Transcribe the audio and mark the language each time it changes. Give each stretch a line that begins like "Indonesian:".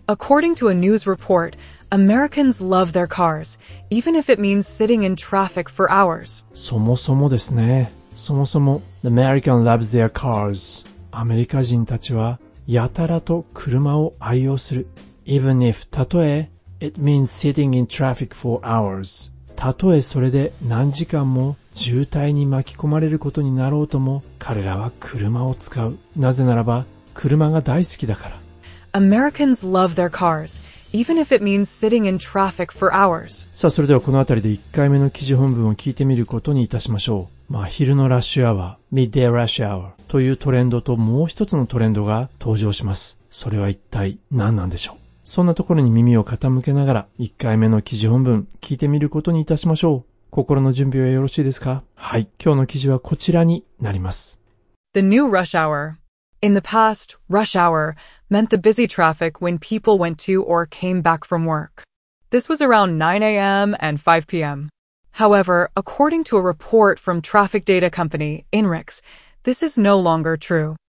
English: According to a news report, Americans love their cars, even if it means sitting in traffic for hours.
Japanese: そもそもですね。そもそも、
English: American loves their cars.
Japanese: アメリカ人たちはやたらと車を愛用する。
English: Even if, たとえ、it means sitting in traffic for hours.
Japanese: たとえそれで何時間も渋滞に巻き込まれることになろうとも、彼らは車を使う。なぜならば、車が大好きだから。 Americans love their cars, even if it means sitting in traffic for hours. さあ、それではこのあたりで1回目の記事本文を聞いてみることにいたしましょう。まあ、昼のラッシュアワー、
English: midday rush hour
Japanese: というトレンドともう一つのトレンドが登場します。それは一体何なんでしょう。そんなところに耳を傾けながら、1回目の記事本文聞いてみることにいたしましょう。心の準備はよろしいですか？はい。今日の記事はこちらになります。
English: The new rush hour. In the past, rush hour meant the busy traffic when people went to or came back from work. This was around 9 a.m. and 5 p.m. However, according to a report from traffic data company, INRIX, this is no longer true.